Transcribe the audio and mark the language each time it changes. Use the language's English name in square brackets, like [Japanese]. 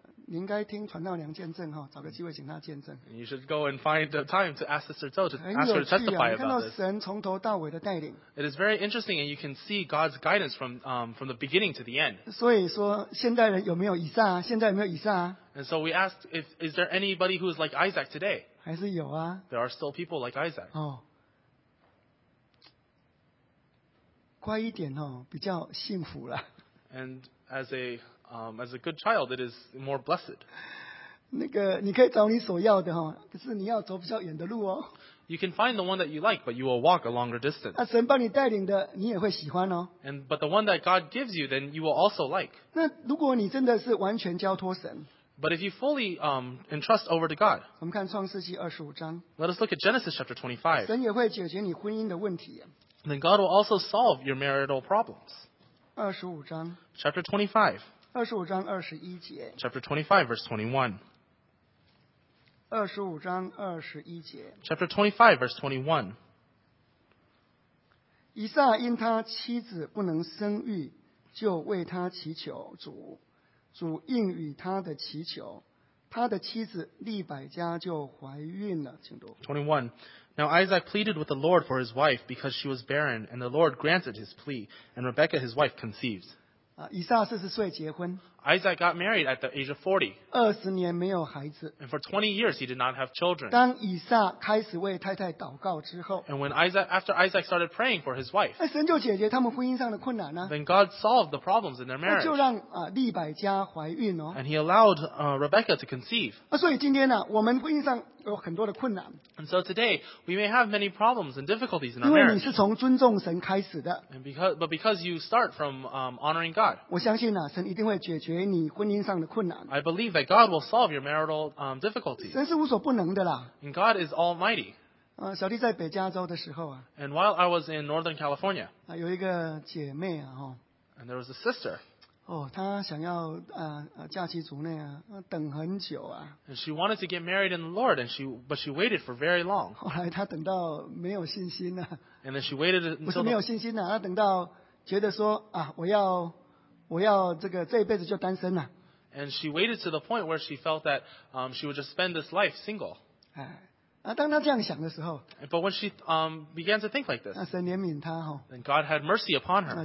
[Chinese] 你应该听传道娘见证哈，找个机会请他见证。 [English] You should go and find the time to ask Sister Zhou to ask her to testify about this. [Chinese] 很有趣啊，你看到神从头到尾的带领。 [English] It is very interesting, and you can see God's guidance from the beginning to the end. [Chinese] 所以说，现代人有没有以撒？现在有没有以撒？ [English] And so we asked, is there anybody who is like Isaac today? [Chinese] 还是有啊。 [English] There are still people like Isaac. [Chinese] 哦，乖一点哦，比较幸福了。 [English] And as a as a good child, it is more blessed. [Chinese] 那个你可以找你所要的哈，可是你要走比较远的路哦。 [English] You can find the one that you like, but you will walk a longer distance. [Chinese] 啊，神帮你带领的，你也会喜欢哦。 [English] And but the one that God gives you, then you will also like. [Chinese] 那如果你真的是完全交托神 [English] ，But if you fully entrust over to God, [Chinese] 我们看创世纪二十五章。 [English] Let us look at Genesis chapter 25. [Chinese] 神也会解决你婚姻的问题。 [English] Then God will also solve your marital problems. [Chinese] 二十五章。 [English] Chapter 25. [Chinese] 二十五章二十一节。 [English] Chapter 25, verse 21. [Chinese] 二十五章二十一节。 [English] Chapter 25, verse 21. [Chinese] 以撒因他妻子不能生育，就为他祈求主，主应允他的祈求，他的妻子利百加就怀孕了。请读。 [English] 21. Now Isaac pleaded with the Lord for his wife because she was barren, and the Lord granted his plea, and Rebekah his wife conceived. [Chinese] 以撒四十岁结婚。 [English] Isaac got married at the age of 40. [Chinese] 二十年没有孩子。 [English] And for 20 years he did not have children. [Chinese] 当以撒开始为太太祷告之后。 [English] And when after Isaac started praying for his wife. [Chinese] 神就解决他们婚姻上的困难了。 [English] Then God solved the problems in their marriage. [Chinese] 就让利百加怀孕哦。 [English] And he allowed Rebecca to conceive. [Chinese] 所以今天呢，我们婚姻上有很多的困难。 [English] And so today we may have many problems and difficulties in our marriage. [Chinese] 因为你是从尊重神开始的。 [English] But because you start from honoring God. [Chinese] 我相信神一定会解决你婚姻上的困难。 [English] I believe that God will solve your marital difficulties. [Chinese] 神是无所不能的啦。 [English] And God is Almighty. [Chinese] 小弟在北加州的时候 [English] And while I was in Northern California. [Chinese] 有一个姐妹 [English] And there was a sister. [Chinese] 她想要嫁妻主内等很久 [English] And she wanted to get married in the Lord, but she waited for very long. [Chinese] 后来她等到没有信心 [English] And then she waited until. [Chinese] 不是没有信心她等到觉得说我要这个这一辈子就单身了。 [English] And she waited to the point where she felt that she would just spend this life single. [Chinese] 当她这样想的时候。 [English] But when she began to think like this. [Chinese] 神怜悯她哈。 [English] Then God had mercy upon her.